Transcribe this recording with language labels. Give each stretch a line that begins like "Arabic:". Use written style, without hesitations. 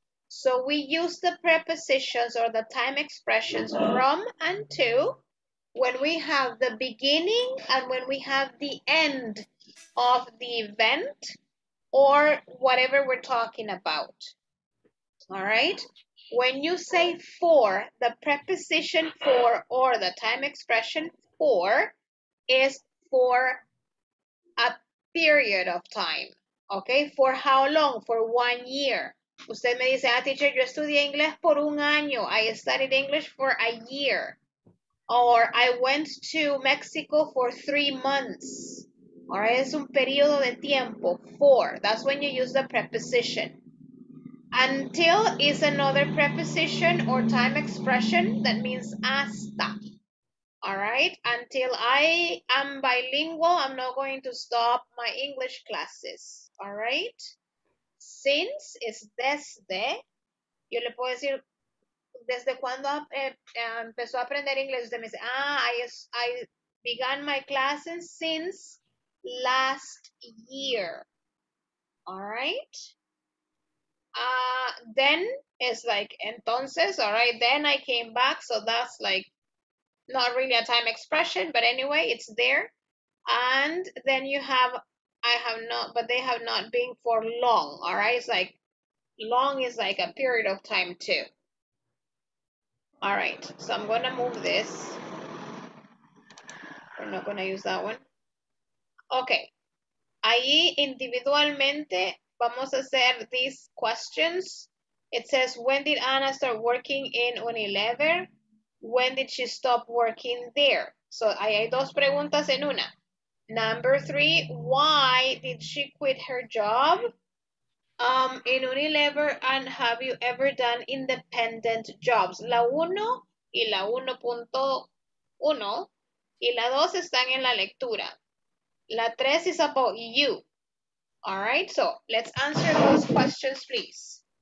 English: So we use the prepositions or the time expressions from and to when we have the beginning and when we have the end of the event or whatever we're talking about. All right. When you say for, the preposition for or the time expression for is for a period of time. Okay. For how long? For 1 year.
Spanish: Usted me dice, ah, teacher, yo estudié inglés por un año.
English: I studied English for a year. Or I went to Mexico for 3 months. Or
Spanish: es un periodo de tiempo,
English: for. That's when you use the preposition. Until is another preposition or time expression that means hasta. All right, until I am bilingual, I'm not going to stop my English classes. All right, since is
Spanish: desde, yo le puedo decir, desde cuando empezó a aprender inglés, usted me dice, ah,
English: I began my classes since last year. All right, then is like, entonces, all right, then I came back, so that's like, not really a time expression, but anyway, it's there. And then you have, I have not, but they have not been for long, all right? It's like, long is like a period of time too. All right, so I'm gonna move this. We're not gonna use that one. Okay,
Spanish: ahí individualmente vamos a hacer
English: these questions. It says, when did Anna start working in Unilever? When did she stop working there? So,
Spanish: ahí hay dos preguntas en una.
English: Number three, why did she quit her job in Unilever? And have you ever done independent jobs?
Spanish: La uno y la 1.1 y la dos están en la lectura. La tres
English: is about you. All right, so let's answer those questions, please.